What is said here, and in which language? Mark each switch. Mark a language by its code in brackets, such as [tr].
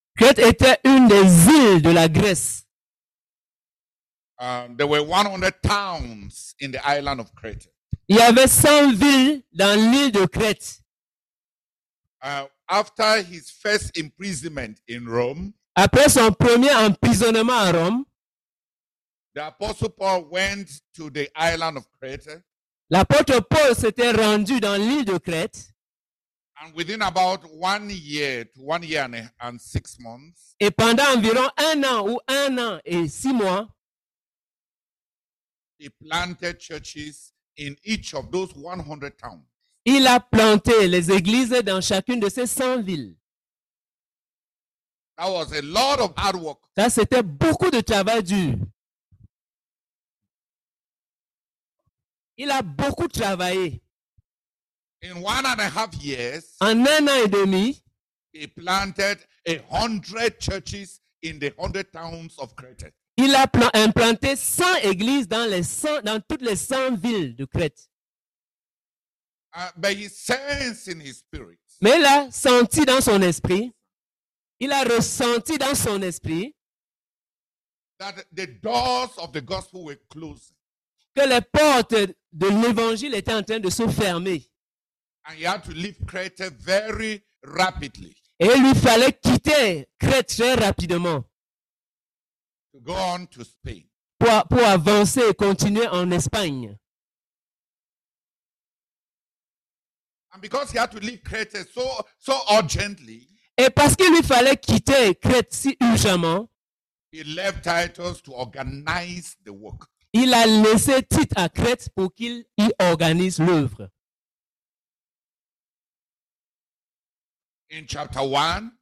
[fr] Crete était une des îles de la Grèce. [en] There were 100 towns in the island of Crete. [fr] Il y avait 100 villes dans l'île de Crète. [en] After his first imprisonment in Rome, [fr] après son premier emprisonnement à Rome, [en] the apostle Paul went to the island of Crete. [fr] L'apôtre Paul s'était rendu dans l'île de Crète. [en] And within about 1 year to 1 year and 6 months, [fr] et pendant environ un an ou un an et six mois, [en] he planted churches in each of those 100 towns. [fr] Il a planté les églises dans chacune de ces 100 villes. [en] That was a lot of hard work. [fr] Ça, c'était beaucoup de travail dur. Il a beaucoup travaillé. [en] In 1.5 years, [fr] en un an et demi, [en] he planted 100 churches in the 100 towns of Crete. [fr] Il a implanté 100 églises dans toutes les 100 villes de Crète. [en] But he sensed in his spirit, [fr] mais il a senti dans son esprit, il a ressenti dans son esprit [en] that the doors of the gospel were closing. [fr] Que les portes de l'évangile étaient en train de se fermer. [en] And he had to leave Crete very rapidly. [fr] Et il lui fallait quitter Crète très rapidement. [en] To go on to Spain. [fr] Pour avancer et continuer en Espagne. [en] And because he had to leave Crete so urgently, [fr] et parce qu'il lui fallait quitter Crete si urgentement, [en] he left Titus to organize the work. [fr] Il a laissé Tite à Crète pour qu'il y organise l'œuvre. [en] In chapter 1,